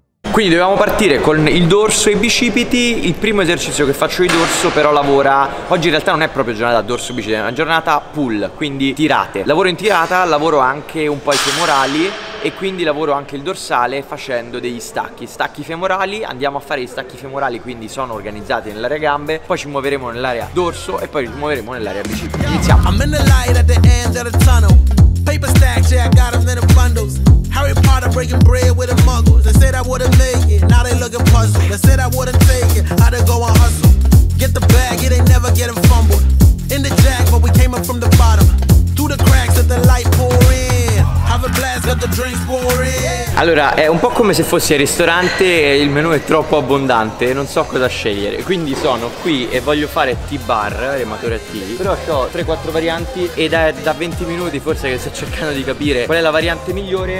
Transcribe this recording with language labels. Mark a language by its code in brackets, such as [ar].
[it] Quindi dobbiamo partire con il dorso e i bicipiti. Il primo esercizio che faccio di dorso però lavora, oggi in realtà non è proprio giornata dorso bicipiti, è una giornata pull, quindi tirate. Lavoro in tirata, lavoro anche un po' i femorali e quindi lavoro anche il dorsale facendo degli stacchi. Stacchi femorali, andiamo a fare gli stacchi femorali, quindi sono organizzati nell'area gambe. Poi ci muoveremo nell'area dorso e poi ci muoveremo nell'area bicipiti. Iniziamo. [en] I'm in the light at the end of the tunnel. Paper stacks, yeah, I got them little bundles. Harry Potter breaking bread with the muggles. They said I wouldn't make it, now they looking puzzled. They said I wouldn't take it, how to go and hustle. Get the bag, it ain't never getting fumbled. In the jack, but we came up from the bottom. Through the cracks of the light pour in. Have a blast, let the drinks pour in. [it] Allora, è un po' come se fossi al ristorante e il menù è troppo abbondante e non so cosa scegliere. Quindi sono qui e voglio fare T-bar, rematori attivi. Però ho 3-4 varianti ed è da 20 minuti forse che sto cercando di capire qual è la variante migliore.